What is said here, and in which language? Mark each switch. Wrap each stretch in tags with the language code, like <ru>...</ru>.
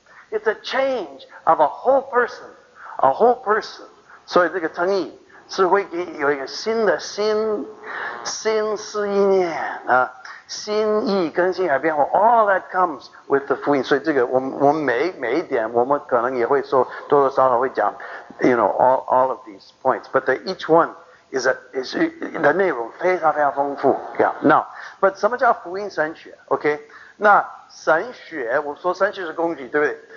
<en>It's a change of a whole person, a whole person.</en> <zh>所以这个称义是会给有一个新的心思意念啊。心意更新而变化 ， all that comes with the 福音。所以这个我们每一点，我们可能也会说多多少少会讲 ， you know all of these points， but each one is 的内容非常非常丰富。 Yeah， now， but 什么叫福音神学 ？OK， 那神学，我说神学是工具，对不对？</zh>